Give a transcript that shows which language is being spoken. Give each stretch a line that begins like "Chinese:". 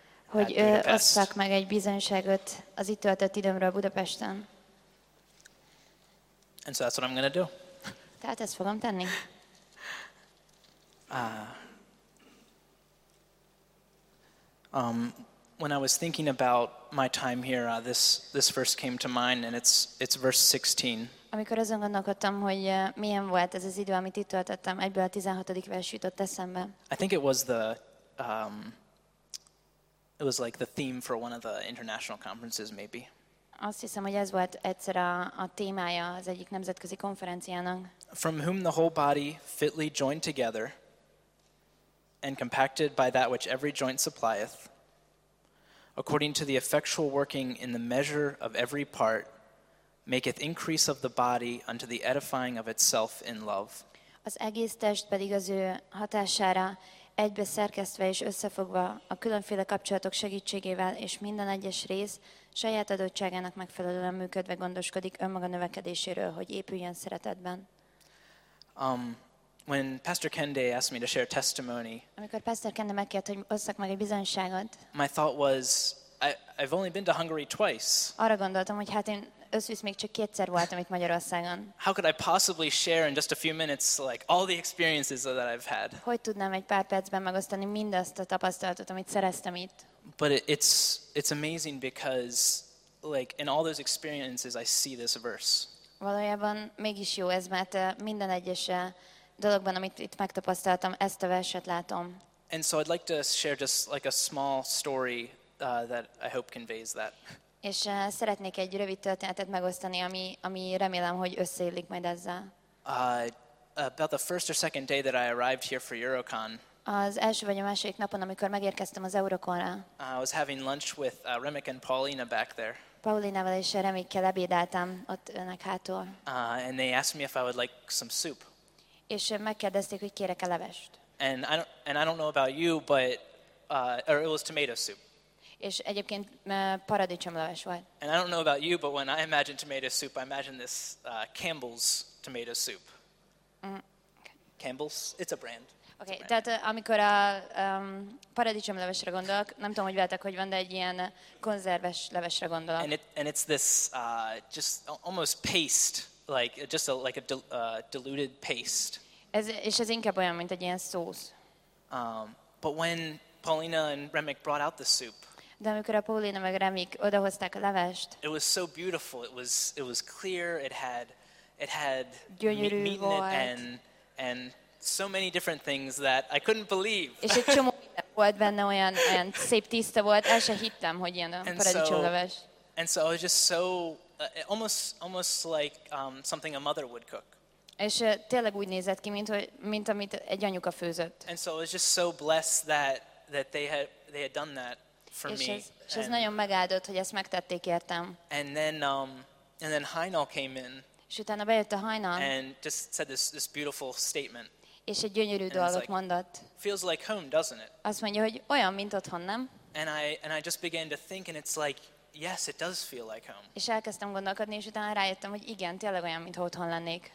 Hungarian: Hogy osszak meg egy bizonyságot az itt töltött időmről Budapesten.
English: And so that's what I'm going to do.
Hungarian: Tehát ezt fogom tenni.
English: When I was thinking about my time here, this verse came to mind, and it's verse 16.
Hungarian: Amikor azon gondolkodtam, hogy milyen volt ez az idő, amit itt töltöttem, egyből a 16. vers jutott eszembe.
English: I think it was the it was like the theme for one of the international conferences, maybe.
Hungarian: Azt hiszem, hogy ez volt egyszer a témája az egyik nemzetközi konferenciának.
English: From whom the whole body fitly joined together and compacted by that which every joint supplieth, according to the effectual working in the measure of every part, maketh increase of the body unto the edifying of itself in love.
Hungarian: Az egész test pedig az ő hatására egybe szerkesztve és összefogva a különféle kapcsolatok segítségével és minden egyes rész saját adottságának megfelelően működve gondoskodik önmaga növekedéséről, hogy épüljön szeretetben.
English: When Pastor Kende asked me to share testimony,
Hungarian: amikor Pastor Kende megkért, hogy osszak meg egy bizonyságot,
English: my thought was, I've only been to Hungary twice.
Hungarian: Arra gondoltam, hogy hát én összvisz még csak kétszer voltam itt Magyarországon.
English: How could I possibly share in just a few minutes like all the experiences that I've had?
Hungarian: Hogy tudnám egy pár percben megosztani mindazt a tapasztalatot, amit szereztem itt?
English: But it's amazing because like in all those experiences I see this verse.
Hungarian: Valójában mégis jó ez, mert minden egyes dologban, amit itt megtapasztaltam, ezt a verset látom.
English: And so I'd like to share just like a small story that I hope conveys that.
Hungarian: És szeretnék egy rövid történetet megosztani, ami remélem, hogy összeillik majd ezzel.
English: About the first or second day that I arrived here for Eurocon.
Hungarian: Az első vagy a második napon, amikor megérkeztem az Eurocon-ra.
English: I was having lunch with Remek and Paulina back there.
Hungarian: Paulinával és Remekkel ebédeltem ott önök hátul.
English: And they asked me if I would like some soup.
Hungarian: És megkérdezték, hogy kérek-e levest.
English: And I don't know about you, but or it was tomato soup.
Hungarian: És egyébként paradicsomleves volt.
English: And I don't know about you, but when I imagine tomato soup, I imagine this Campbell's tomato soup. Okay. Campbell's, it's a brand.
Hungarian: Okay, tehát amikor a paradicsomlevesre gondolok, nem tudom, hogy veletek, hogy van, de egy ilyen konzerves levesre gondolok.
English: And it's this just almost paste, like just a diluted paste.
Hungarian: Ez inkább olyan, mint egy ilyen szósz.
English: But when Paulina and Remek brought out the soup,
Hungarian: de amikor a Paulina meg Remek odahozták a levest,
English: it was so beautiful. It was clear. It had
Hungarian: gyönyörű
English: meat
Hungarian: volt.
English: In it and so many different things that I couldn't believe.
Hungarian: És egy csomó minden volt benne, olyan szép tiszta volt. El sem hittem, hogy ilyen a paradicsomleves.
English: And so I was just so almost like something a mother would cook.
Hungarian: És tényleg úgy nézett ki, mint amit egy anyuka főzött.
English: And so I was just so blessed that they had done that for
Hungarian: és
English: me.
Hungarian: És ez nagyon megáldott, hogy ezt megtették értem.
English: And then Heinal came in.
Hungarian: És utána bejött a Heinal.
English: And just said this beautiful statement.
Hungarian: És egy gyönyörű dolgot like, mondott.
English: Feels like home, doesn't it?
Hungarian: Azt mondja, hogy olyan, mint otthon, nem?
English: And I just began to think, and it's like, yes, it does feel like home.
Hungarian: És elkezdtem gondolkodni, és utána rájöttem, hogy igen, tényleg olyan, mint otthon lennék.